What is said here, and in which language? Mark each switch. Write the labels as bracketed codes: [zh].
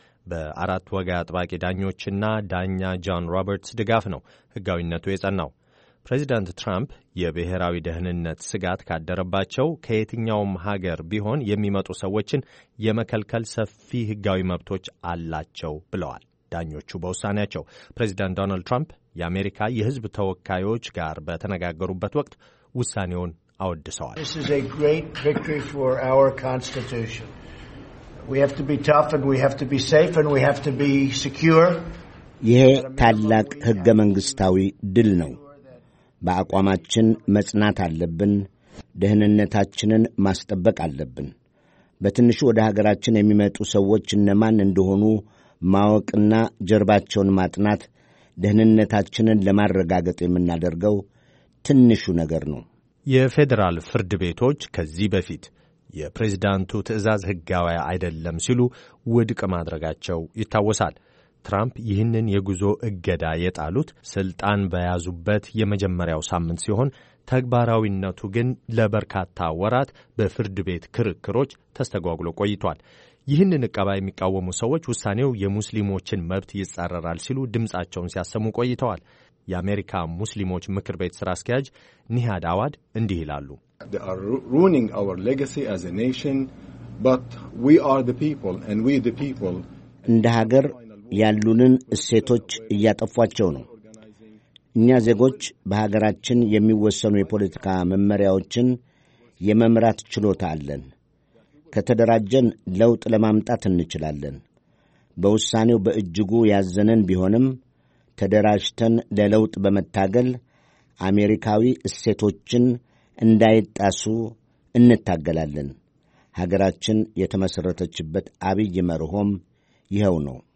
[am] በአራት ወጋ አጥባቂ ዳኞችና ዳኛ ጆን ሮበርትስ ድጋፍ ነው ህጋዊነቱ የጸናው። ፕሬዚዳንት ትራምፕ የብሔራዊ ደህንነት ስጋት ካደረባቸው ከየትኛውም ሀገር ቢሆን የሚመጡ ሰዎችን የመከልከል ሰፊ ህጋዊ መብቶች አላቸው ብለዋል ዳኞቹ በውሳኔያቸው። ፕሬዚዳንት ዶናልድ ትራምፕ የአሜሪካ የህዝብ ተወካዮች ጋር በተነጋገሩበት ወቅት ውሳኔውን አወድሰዋል። [en] This is a great victory for our constitution. We have to be tough and we have to be safe and we have to be secure. [am] ይሄ ታላቅ ህገ መንግስታዊ ድል ነው። በአቋማችን መጽናት አለብን። ደህንነታችንን ማስጠበቅ አለብን። በትንሹ ወደ ሀገራችን የሚመጡ ሰዎች እነማን እንደሆኑ ማወቅና ጀርባቸውን ማጥናት ደህንነታችንን ለማረጋገጥ የምናደርገው ትንሹ ነገር ነው። የፌዴራል ፍርድ ቤቶች ከዚህ በፊት የፕሬዝዳንቱ ትዕዛዝ ህጋዊ አይደለም ሲሉ ውድቅ ማድረጋቸው ይታወሳል። ትራምፕ ይህንን የጉዞ እገዳ የጣሉት ስልጣን በያዙበት የመጀመሪያው ሳምንት ሲሆን ተግባራዊነቱ ግን ለበርካታ ወራት በፍርድ ቤት ክርክሮች ተስተጓጉሎ ቆይቷል። ይህንን ቀባ የሚቃወሙ ሰዎች ውሳኔው የሙስሊሞችን መብት ይጻረራል ሲሉ ድምጻቸውን ሲያሰሙ ቆይተዋል። የአሜሪካ ሙስሊሞች ምክር ቤት ስራ አስኪያጅ ኒሃድ አዋድ እንዲህ ይላሉ። [en] They are ruining our legacy as a nation, but we are the people and we the people. [am] እንደ ሀገር ያሉንን እሴቶች እያጠፋቸው ነው። እኛ ዜጎች በሀገራችን የሚወሰኑ የፖለቲካ መመሪያዎችን የመምራት ችሎታ አለን። ከተደራጀን ለውጥ ለማምጣት እንችላለን። በውሳኔው በእጅጉ ያዘነን ቢሆንም ተደራጅተን ለለውጥ በመታገል አሜሪካዊ እሴቶችን እንዳይጣሱ እንታገላለን። ሀገራችን የተመሰረተችበት አብይ መርሆም ይኸው ነው።